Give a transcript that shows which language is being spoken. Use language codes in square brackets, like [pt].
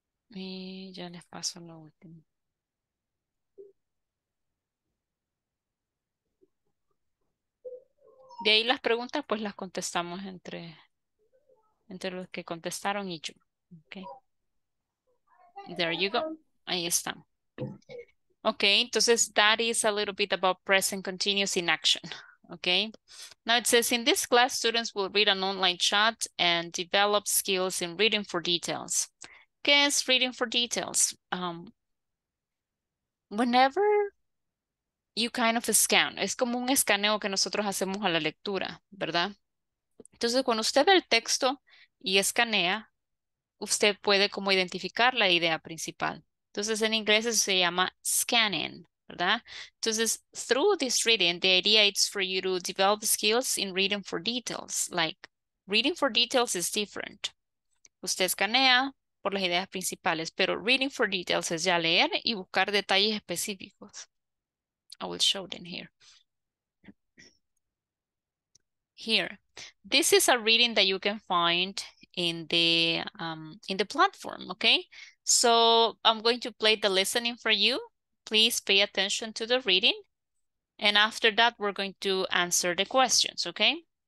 [es] Y ya les paso lo último. De ahí las preguntas, pues las contestamos entre los que contestaron y yo. [en] Okay. There you go. [es] Ahí están. [en] Okay, entonces that is a little bit about present continuous in action. Okay. Now it says, in this class, students will read an online chat and develop skills in reading for details. Guess reading for details. Whenever you kind of scan, [es] es como un escaneo que nosotros hacemos a la lectura, ¿verdad? Entonces, cuando usted ve el texto y escanea, usted puede como identificar la idea principal. Entonces, en inglés eso se llama scanning, ¿verdad? [en] Entonces, through this reading, the idea is for you to develop skills in reading for details. Like, reading for details is different. [es] Usted escanea por las ideas principales, pero reading for details es ya leer y buscar detalles específicos. [en] I will show them here. Here, this is a reading that you can find in the platform, okay? So I'm going to play the listening for you. Please pay attention to the reading. And after that, we're going to answer the questions, okay?